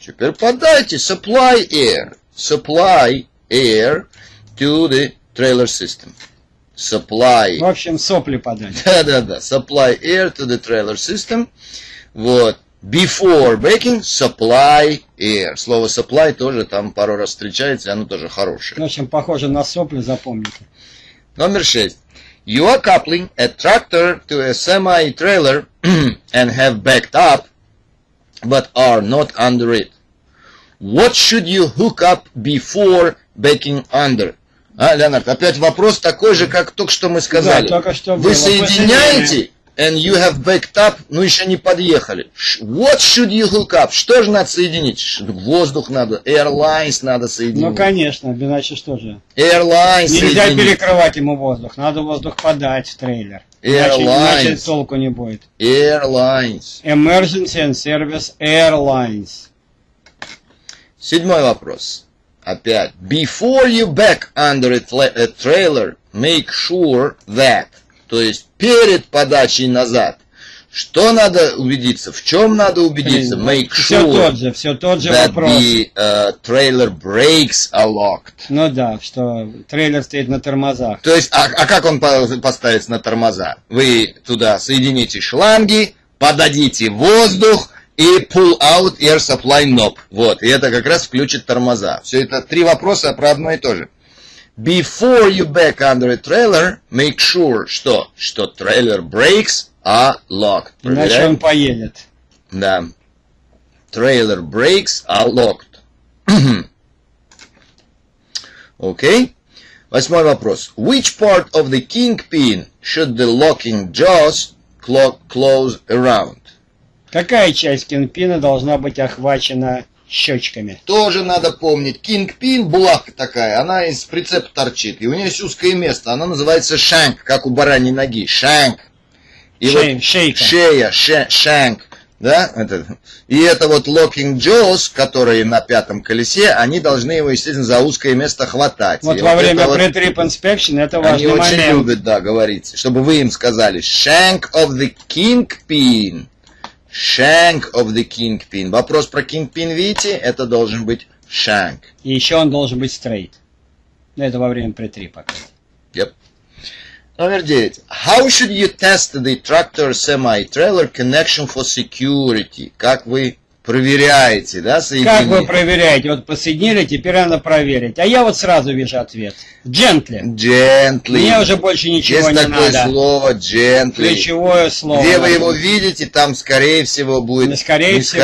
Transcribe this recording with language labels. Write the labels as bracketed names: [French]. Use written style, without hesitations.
[Russian] Теперь подайте [English] supply air. Supply air to the trailer system. Supply. [Russian] В общем, сопли подать. [English] Да-да-да. Supply air to the trailer system. Вот. Before breaking, supply air. [Russian] Слово supply тоже там пару раз встречается, и оно тоже хорошее. В общем, похоже на сопли, запомните. Номер 6. [English] You are coupling a tractor to a semi-trailer and have backed up, but are not under it. What should you hook up before backing under? [Russian] А, Леонард, опять вопрос такой же, как только что мы сказали. Да, только что было. Вы соединяете... [English] And you have backed up, [Russian] но еще не подъехали. [English] What should you hook up? [Russian] Что же надо соединить? Воздух надо, airlines надо соединить. Ну, конечно, иначе что же? [English] Airlines [Russian] соединить. Нельзя перекрывать ему воздух, надо воздух подать в трейлер. [English] Airlines. [Russian] Иначе толку не будет. [English] Airlines. Emergency and service airlines. [Russian] Седьмой вопрос. Опять. [English] Before you back under a trailer, make sure that... [Russian] То есть перед подачей назад. Что надо убедиться? В чем надо убедиться? [English] Make sure. [Russian] Все тот же [English] that [Russian] вопрос. [English] The trailer brakes are locked. [Russian] Ну да, что трейлер стоит на тормозах. То есть, а как он поставится на тормоза? Вы туда соедините шланги, подадите воздух и [English] pull out air supply knob. [Russian] Вот. И это как раз включит тормоза. Все это три вопроса про одно и то же. [English] Before you back under a trailer, make sure, [Russian] что [English] trailer brakes are locked. [Russian] Проверяем. Иначе он поедет. [English] Да. Trailer brakes are locked. [Russian] Окей. Восьмой вопрос. [English] Which part of the kingpin should the locking jaws close around? [Russian] Какая часть кингпина должна быть охвачена... щечками. Тоже надо помнить. Кингпин, булавка такая, она из прицепа торчит. И у нее есть узкое место. Она называется шанк, как у бараньей ноги. Шанк. Шейка. Шея, шанк. Да? И это вот locking jaws, которые на пятом колесе, они должны его, естественно, за узкое место хватать. Вот во время pre-trip inspection это важный момент. Они очень любят, да, говорить. Чтобы вы им сказали [English] shank of the kingpin. Shank of the kingpin. [Russian] Вопрос про kingpin, видите, это должен быть shank. И еще он должен быть straight. Но это во время претрипа. Yep. Номер 9. [English] How should you test the tractor semi-trailer connection for security? [Russian] Как вы проверяете, да, соединение? Как вы проверяете? Вот посоединили, теперь надо проверить. А я вот сразу вижу ответ. [English] Gently. Gently. [Russian] Мне уже больше ничего не надо. Есть такое слово gently. Ключевое слово. Где вы его видите, там, скорее всего, будет... Скорее всего,